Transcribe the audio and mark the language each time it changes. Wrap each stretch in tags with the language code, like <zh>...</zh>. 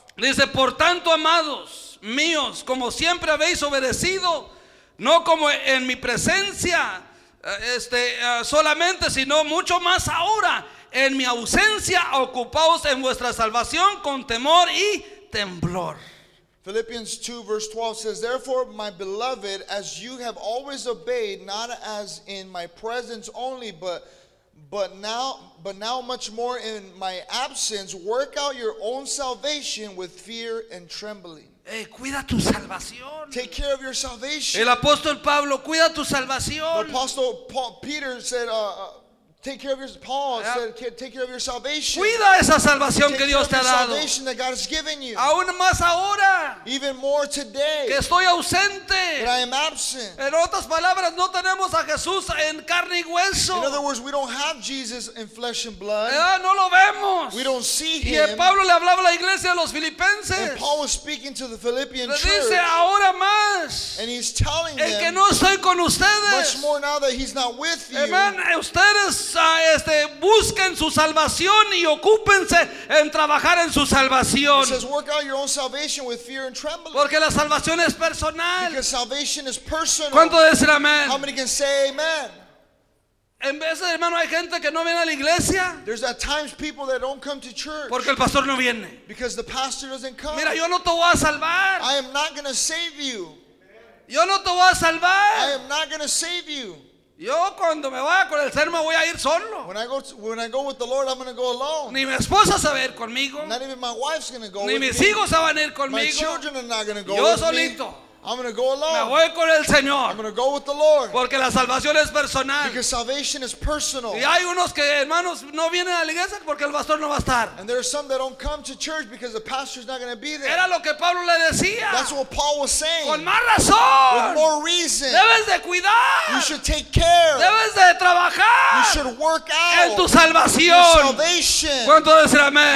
<es>Dice, por tanto, amados míos, como siempre habéis obedecido, no como en mi presencia solamente, sino mucho más ahora en mi ausencia, ocupaos en vuestra salvación con temor y temblor.</es> <en>Philippians 2 verse 12 says, therefore, my beloved, as you have always obeyed, not as in my presence only, but now much more in my absence, work out your own salvation with fear and trembling.</en> <es>Hey, cuida tu salvación.</es> <en>Take care of your salvation.</en> <es>El apóstol Pablo, cuida tu salvación.</es> <en>The apostle Paul, Peter said, take care of your Paul said, take care of your salvation.</en> <es>Cuida esa salvación</es> <en>take</en> <es>que Dios te ha dado.</es> <en>Salvation that God has given you.</en> <es>Aún más ahora.</es> <en>Even more today.</en> <es>Que estoy ausente.</es> <en>That I am absent.</en> <es>En otras palabras, no tenemos a Jesús en carne y hueso.</es> <en>In other words, we don't have Jesus in flesh and blood.</en> <es>No lo vemos.</es> <en>We don't see him.</en> <es>Y el Pablo le hablaba a la iglesia a los filipenses.</es> <en>And Paul was speaking to the Philippian</en> <es>le</es> <en>church.</en> <es>Dice, ahora más.</es> <en>And he's telling</en> <es>en</es> <en>them.</en> <es>Que no estoy con ustedes.</es> <en>Much more now that he's not with you. Amen.</en> <es>Ustedes busquen su salvación y ocúpense en trabajar en su salvación.</es> <en>It says, work out your own salvation with fear and trembling.</en> <es>Porque la salvación es personal.</es> <en>Because salvation is personal.</en> <es>¿Cuánto dicen amén?</es> <en>How many can say amen?</en> <es>En veces, hermano, hay gente que no viene a la iglesia.</es> <en>There's at times people that don't come to church.</en> <es>Porque el pastor no viene.</es> <en>Because the pastor doesn't come.</en> <es>Mira, yo no te voy a salvar.</es> <en>I am not going to save you.</en> <es>Yo no te voy a salvar.</es> <en>I am not going to save you.</en> <es>Yo cuando me vaya con el Señor me voy a ir solo.</es> <en>When I go with the Lord, I'm going to go alone.</en> <es>Ni mi esposa se va a ir conmigo.</es> <en>Not even my wife's going to go</en> <es>ni</es> <en>with me.</en> <es>Ni mis hijos se van a ir conmigo.</es> <en>My children are not going to go</en> <es>yo</es> <en>with</en> <es>solito.</es> <en>Me. I'm going to go alone.</en> <es>Me voy con el Señor.</es> <en>I'm going to go with the Lord.</en> <es>Porque la salvación es personal.</es> <en>Because salvation is personal.</en> <es>Y hay unos que, hermanos, no vienen a la iglesia porque el pastor no va a estar.</es> <en>And there are some that don't come to church because the pastor's not going to be there.</en> <es>Era lo que Pablo le decía.</es> <en>That's what Paul was saying.</en> <es>Con más razón.</es> <en>With more reason.</en> <es>Debes de cuidar.</es> <en>You should take care.</en> <es>Debes de trabajar.</es> <en>You should work out.</en> <es>En tu salvación.</es> <en>Your salvation.</en> <es>¿Cuánto decir amén?</es>